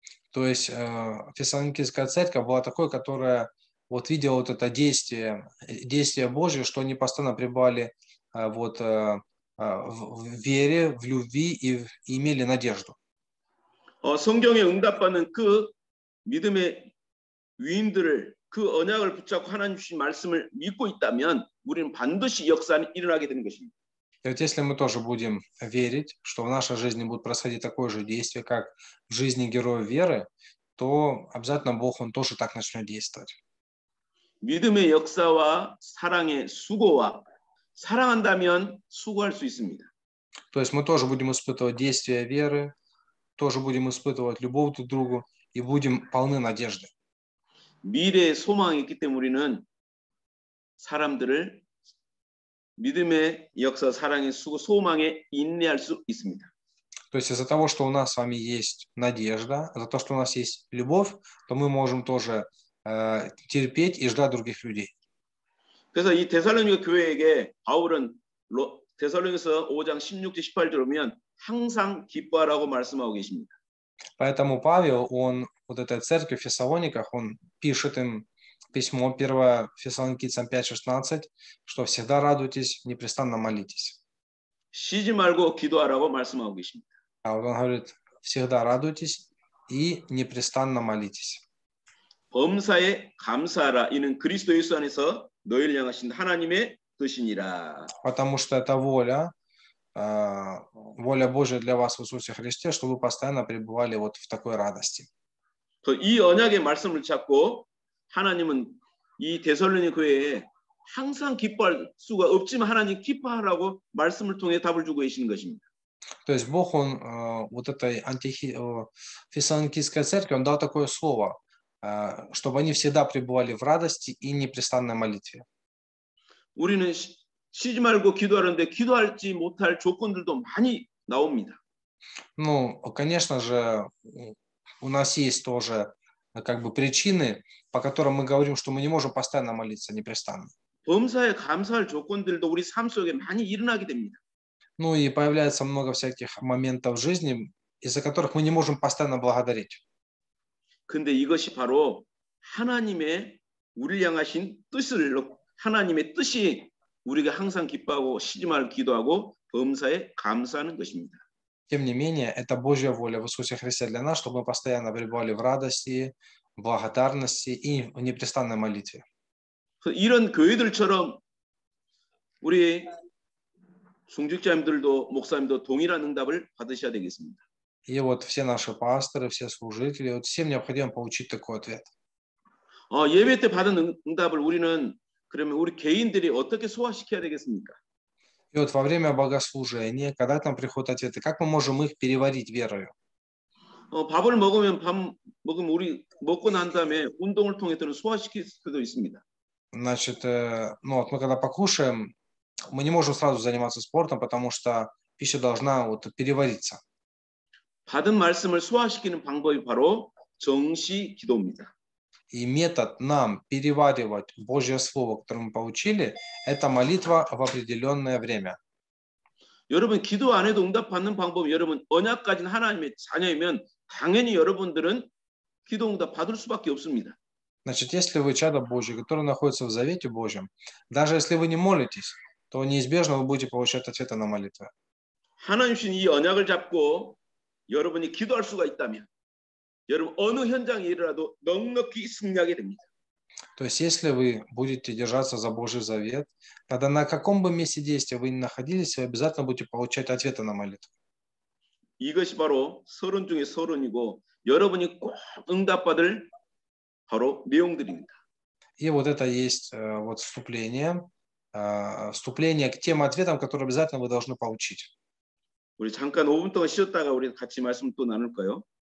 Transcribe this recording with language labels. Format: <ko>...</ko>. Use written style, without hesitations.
<ru>То есть Фессалоникийская церковь была такой, которая вот видела вот это действие Божье, что они постоянно пребывали вот в вере, в любви и имели надежду.</ru> <ko>성경에 응답받는 그 믿음의 위인들을 그 언약을 붙잡고 하나님 주신 말씀을 믿고 있다면 우리는 반드시 역사는 일어나게 되는 것입니다.</ko> <ru>Если мы тоже будем верить, что в нашей жизни будет происходить такое же действие, как в жизни героев веры, то обязательно Бог он тоже так начнет действовать.</ru> <ko>믿음의 역사와 사랑의 수고와 사랑한다면 수고할 수 있습니다.</ko> <ru>То есть мы тоже будем испытывать действия веры, тоже будем испытывать любовь друг к другу и будем полны надежды.</ru> <ko>미래의 소망이 있기 때문에 우리는 사람들을 믿음의 역사, 사랑의 수고, 소망에 인내할 수 있습니다.</ko> <ru>То есть из-за того, что у нас с вами есть надежда, за то, что у нас есть любовь, то мы можем тоже терпеть и ждать других людей.</ru> <ko>그래서 이 데살로니가 교회에게 바울은 데살로니가서 5장 16-18 들으면 항상 기뻐하라고 말씀하고 계십니다.</ko> <ru>Поэтому Павел, он вот этой церкви в Фессалониках, он пишет им письмо 1 Фессалоникийцам 5:16, что всегда радуйтесь, непрестанно молитесь.</ru> <ko>쉬지 말고 기도하라고 말씀하고 계십니다.</ko> <ru>А вот он говорит, всегда радуйтесь и непрестанно молитесь.</ru> <ko>범사에 감사하라 이는 그리스도 예수 안에서 너희를 향하신 하나님의 뜻이니라.</ko> <ru>Потому что это воля Божия для вас в Иисусе Христе, чтобы вы постоянно пребывали вот в такой радости.</ru> <ko>또 이 언약의 말씀을 찾고 하나님은 이 데살로니교회에 항상 기뻐할 수가 없지만 하나님 기뻐하라고 말씀을 통해 답을 주고 계시는 것입니다.</ko> <ru>То есть Бог, он вот этой антифессалоникийской церкви, он дал такое слово, чтобы они всегда пребывали в радости и непрестанной молитве.</ru> <ko>우리는 쉬지 말고 기도하는데 기도할지 못할 조건들도 많이 나옵니다.</ko> <ru>Ну, конечно же, у нас есть тоже как бы причины, по которым мы говорим, что мы не можем постоянно молиться непрестанно.</ru> <ko>범사에 감사할 조건들도 우리 삶 속에 많이 일어나게 됩니다.</ko> <ru>Ну и появляется много всяких моментов в жизни, из-за которых мы не можем постоянно благодарить.</ru> <ko>근데 이것이 바로 하나님의 우리를 향하신 뜻을 하나님의 뜻이 우리가 항상 기뻐하고 쉬지 말고 기도하고 범사에 감사하는 것입니다.</ko> <ru>Тем не менее, это Божья воля в Иисусе Христе для нас, чтобы мы постоянно пребывали в радости, благодарности и в непрестанной молитве.</ru> <ko>이런 교회들처럼 우리 중직자님들도 목사님도 동일한 응답을 받으셔야 되겠습니다.</ko> <ru>И вот все наши пасторы, все служители, вот всем необходимо получить такой ответ.</ru> <ko>예배 때 받은 응답을 우리는 그러면 우리 개인들이 어떻게 소화시켜야 되겠습니까?</ko> <ru>И вот во время богослужения, когда там приходят ответы, как мы можем их переварить верою?</ru> <ko>밥을 먹으면 밥 먹으면 우리 먹고 난 다음에 운동을 통해서는 소화시킬 수도 있습니다.</ko> <ru>Значит, ну вот мы когда покушаем, мы не можем сразу заниматься спортом, потому что пища должна вот перевариться.</ru> <ko>받은 말씀을 소화시키는 방법이 바로 정시 기도입니다.</ko> <ru>И метод нам переваривать Божье Слово, которое мы получили, это молитва в определенное время.</ru> <ko>여러분, 기도 안 해도 응답받는 방법, 여러분, 언약가진 하나님의 자녀이면 당연히 여러분들은 기도 응답 받을 수밖에 없습니다.</ko> <ru>Значит, если вы чадо Божье, которое находится в Завете Божьем, даже если вы не молитесь, то неизбежно вы будете получать ответы на молитвы.</ru> <ko>하나님이신 이 언약을 잡고 여러분이 기도할 수가 있다면 여러분 어느 현장이라도 넉넉히 승리하게 됩니다.</ko> <ru>То есть если вы будете держаться за Божий завет, тогда на каком бы месте действия вы ни находились, вы обязательно будете получать ответы на молитву.</ru> <ko>이것이 바로 서론 중의 서론이고 여러분이 꼭 응답받을 바로 내용들입니다.</ko> <ru>И вот это есть вот вступление к тем ответам, которые обязательно вы должны получить.</ru> <ko>우리 잠깐 5분 동안 쉬었다가 우리 같이 말씀 또 나눌까요?</ko>